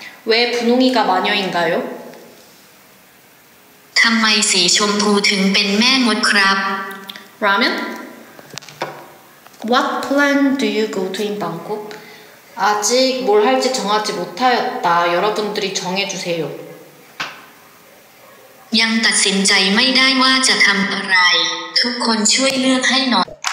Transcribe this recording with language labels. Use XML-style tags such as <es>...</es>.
<ko>왜 분홍이가 마녀인가요?</ko> <th>ทำไมสีชมพูถึงเป็นแม่มดครับ?</th> <ko>라면?</ko> <en>What plan do you go to in Bangkok?</en> <ko>아직 뭘 할지 정하지 못하였다. 여러분들이 정해주세요.</ko> <th>ยังตัดสินใจไม่ได้ว่าจะทำอะไรทุกคนช่วยเลือกให้หน่อย</th>